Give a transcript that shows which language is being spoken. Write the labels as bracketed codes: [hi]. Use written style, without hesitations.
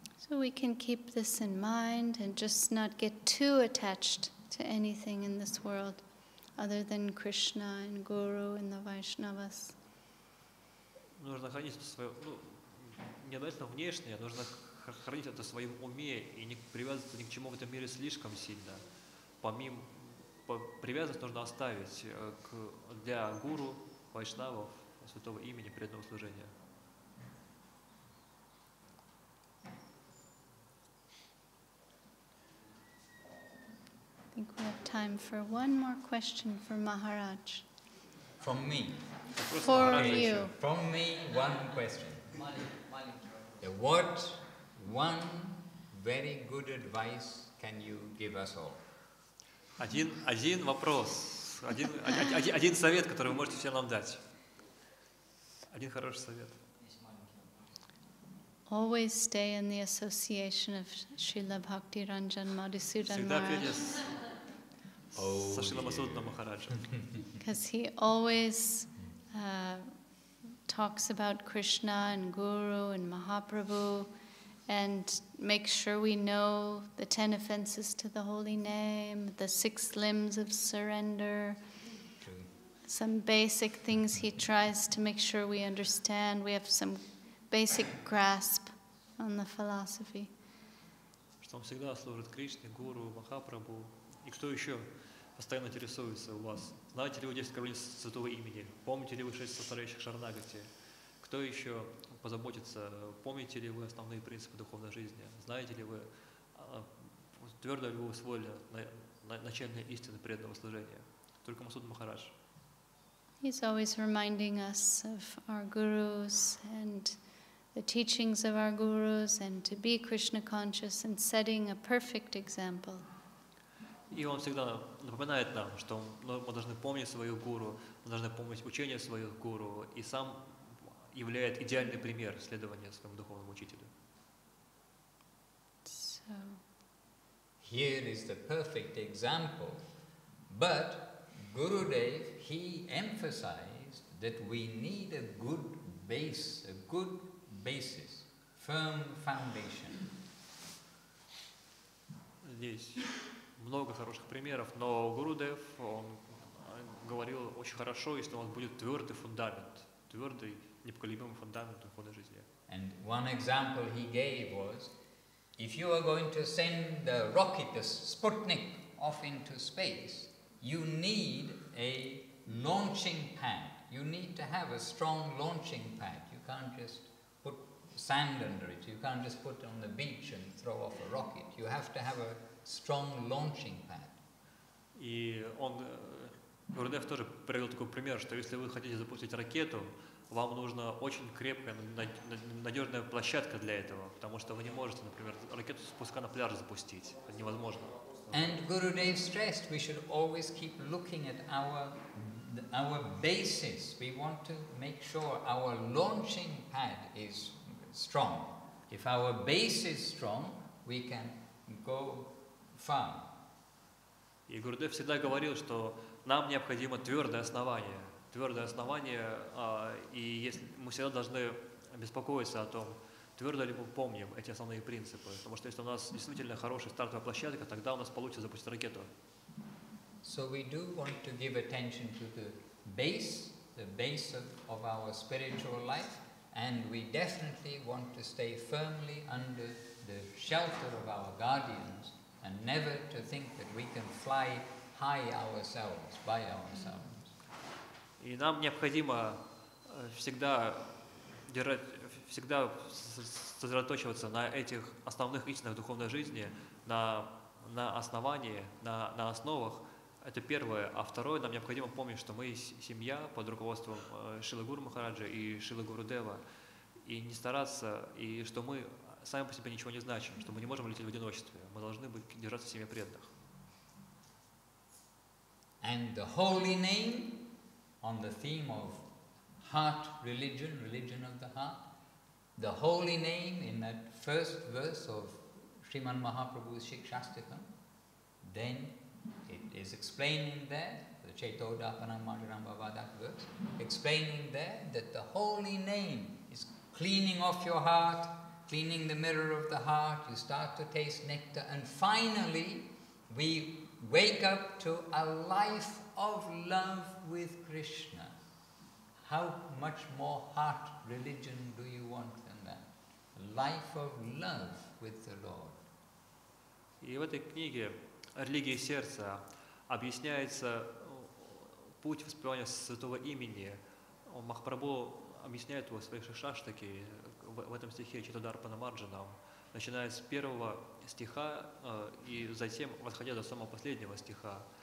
[en] So we can keep this in mind and just not get too attached to anything in this world other than Krishna and Guru and the Vaishnavas. [ru] Нужно хранить это свое, не обязательно внешнее, нужно хранить это в своем уме и не привязываться ни к чему в этом мире слишком сильно. Привязанность нужно оставить для гуру, вайшнавов, святого имени, преданного служения. [en] I think we have time for one more question for Maharaj. From me. For Maharaj, you. From me, one question. Money. What one very good advice can you give us all? [ru] Один вопрос, один совет, который вы можете всем нам дать. Один хороший совет. [en] Always stay in the association of Srila Bhakti Ranjan Madhusudan Maharaj. Because he always talks about Krishna and Guru and Mahaprabhu and make sure we know the 10 offenses to the holy name, the 6 limbs of surrender, some basic things he tries to make sure we understand. We have some basic grasp on the philosophy. [ru] Что он всегда служит Кришне, Гуру, Махапрабху. И кто еще постоянно интересуется у вас? Знаете ли вы 10 коронин святого имени? Помните ли вы 6 составляющих шарнагати? Кто еще позаботится? Помните ли вы основные принципы духовной жизни? Знаете ли вы, твердо ли вы усвоили начальные истины преданного служения? Только Масуд Махарадж. [en] He's always reminding us of our gurus and the teachings of our gurus and to be Krishna conscious and setting a perfect example. [ru] И он всегда напоминает нам, что мы должны помнить свою гуру, мы должны помнить учение своих гуру и сам являет идеальный пример следования своему духовному учителю. [en] So, here is the perfect example, but Gurudev, he emphasized that we need a good base, a good basis, firm foundation. [ru] Здесь много хороших примеров, но Гурудев, он говорил очень хорошо, если у нас будет твердый фундамент, твердый, непоколебимый фундамент духовной жизни. [en] And one example he gave was, if you are going to send the rocket, the Sputnik, off into space, you need a launching pad. You need to have a strong launching pad. You can't just sand under it. You can't just put it on the beach and throw off a rocket. You have to have a strong launching pad. [ru] И он, Гурудев тоже привел такой пример, что если вы хотите запустить ракету, вам нужна очень крепкая, надежная площадка для этого, потому что вы не можете, например, ракету с пуска на пляж запустить. Это невозможно. [en] And Gurudev stressed, we should always keep looking at our our basis, we want to make sure our launching pad is strong. If our base is strong, we can go far. [ru] И Гурудев всегда говорил, что нам необходимо твердое основание. Твердое основание, и если мы всегда должны беспокоиться о том, твердо ли мы помним эти основные принципы. Потому что если у нас действительно хорошая стартовая площадка, тогда у нас получится запустить ракету. [en] So we do want to give attention to the base of our spiritual life, and we definitely want to stay firmly under the shelter of our guardians, and never to think that we can fly high ourselves, by ourselves. [ru] И нам необходимо всегда сосредоточиваться на этих основных истинах духовной жизни, на основании, на основах. Это первое. А второе, нам необходимо помнить, что мы семья под руководством Шрилы Гуру Махараджа и Шрилы Гурудева, и не стараться, и что мы сами по себе ничего не значим, что мы не можем лететь в одиночестве. Мы должны быть, держаться в семье преданных. [en] And the holy name on the theme of heart religion, religion of the heart, the holy name in that first verse of Sriman Mahaprabhu's Shikshastikam, then it is explaining there, the Chaito Dapanam Majaram Bhavadak verse, explaining there that the holy name is cleaning off your heart, cleaning the mirror of the heart, you start to taste nectar, and finally we wake up to a life of love with Krishna. How much more heart religion do you want than that? A life of love with the Lord. [ru] Религии сердца объясняется путь воспевания Святого Имени. Махапрабху объясняет его в своих шикшаштаке в этом стихе Читадарпана Марджанам, начиная с первого стиха и затем восходя до самого последнего стиха.